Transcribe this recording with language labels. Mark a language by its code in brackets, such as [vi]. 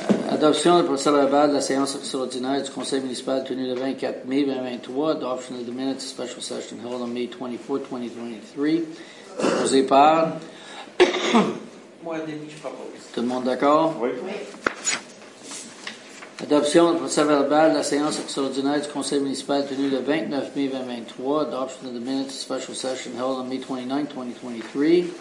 [fr] Adoption du procès verbal de la séance extraordinaire du conseil municipal tenu le 24 mai 2023. [en] Adoption of the minutes of special session held on May 24, 2023. [fr] Proposé par? Moi, Denis, je propose. Tout le monde d'accord? Oui. Adoption du procès verbal de la séance extraordinaire du conseil municipal tenue le 29 mai 2023. [en] Adoption of the minutes of special session held on May 29, 2023.